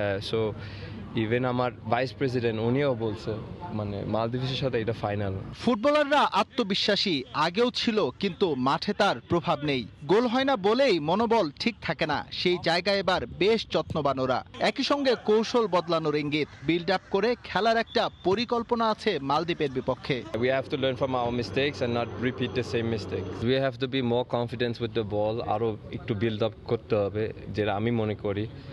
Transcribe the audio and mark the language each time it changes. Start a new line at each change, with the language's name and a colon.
Bangla: So even আমার vice president উনিও বলছে মানে মালদ্বীপের সাথে এটা ফাইনাল। ফুটবলাররা আত্মবিশ্বাসী আগেও ছিল, কিন্তু মাঠে তার প্রভাব নেই, গোল হয় না বলেই মনোবল ঠিক থাকে না, সেই জায়গায় এবার বেশ যত্নবান ওরা। একই সঙ্গে কৌশল বদলানোর ইঙ্গিত, বিল্ড আপ করে খেলার একটা পরিকল্পনা আছে মালদ্বীপের বিপক্ষে।
English: We have to learn from our mistakes and not repeat the same mistakes. We have to be more confident with the ball,
Bangla: আরো একটু বিল্ড আপ করতে হবে যেটা আমি মনে করি।